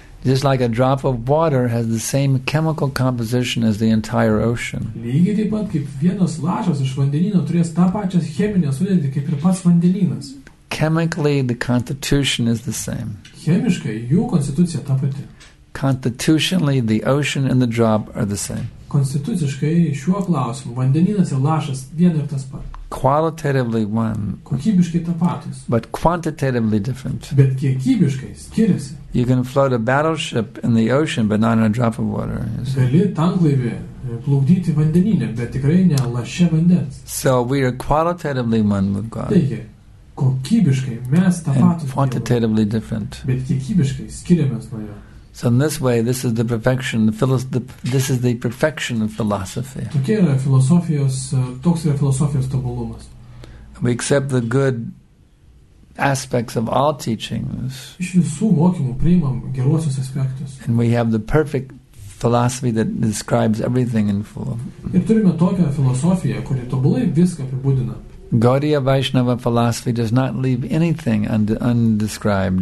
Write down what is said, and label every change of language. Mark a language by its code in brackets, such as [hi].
[en] Just like a drop of water has the same chemical composition as the entire ocean. [lt] Lygiai taip pat, kaip vienas lašas iš vandenyno turės tą pačią cheminę sudėtį, kaip ir pats vandenynas. [en] Chemically, the constitution is the same. [lt] Chemiškai, jų konstitucija ta pati. [en] Constitutionally, the ocean and the drop are the same. [lt] Konstituciškai šiuo klausimu vandenynas ir lašas vien ir tas pat. [en] Qualitatively one. [lt] Kokybiškai tapatus. [en] But quantitatively different. [lt] Bet kiekybiškai skiriasi. [en] You can float a battleship in the ocean, but not in a drop of water. [lt] Gali tanklaivį plukdyti vandenyne, bet tikrai ne laše vandens. [en] So we are qualitatively one with God. [lt] Taigi, kokybiškai mes tapatus. [en] And quantitatively different. [lt] Bet kiekybiškai skiriamės nuo jo. [en] So in this way, this is the perfection. This is the perfection of philosophy. [lt] Tokia yra filosofijos, toks yra filosofijos tobulumas. [en] We accept the good aspects of all teachings. [lt] Iš visų mokymų priimam geruosius aspektus. [en] And we have the perfect philosophy that describes everything in full. [lt] Ir turime tokią filosofiją, kuri tobulai viską apibūdina. [en] Gaudiya Vaishnava philosophy does not leave anything undescribed.